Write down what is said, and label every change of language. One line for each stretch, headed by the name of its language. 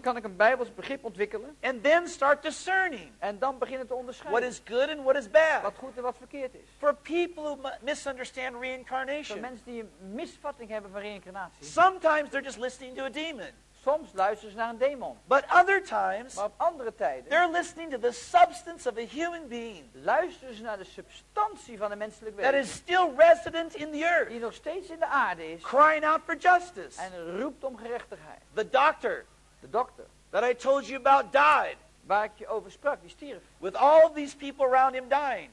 Dutch: Kan ik een Bijbels begrip ontwikkelen?
English: And then start discerning.
Dutch: En dan beginnen te onderscheiden.
English: What is good and what is bad?
Dutch: Wat goed en wat verkeerd is.
English: For people who misunderstand reincarnation.
Dutch: Voor mensen die een misvatting hebben van reïncarnatie.
English: Sometimes they're just listening to a demon.
Dutch: Soms luisteren ze naar een demon.
English: But other times,
Dutch: maar op andere tijden,
English: they're listening to the substance of a human being.
Dutch: Luisteren ze naar de substantie van een menselijk wezen.
English: That is still resident in the earth.
Dutch: Die nog steeds in de aarde is.
English: Crying out for justice.
Dutch: En roept om gerechtigheid.
English: The doctor.
Dutch: De dokter.
English: That I told you about died.
Dutch: Waar ik je over sprak, die stierf.
English: With all these people around him dying.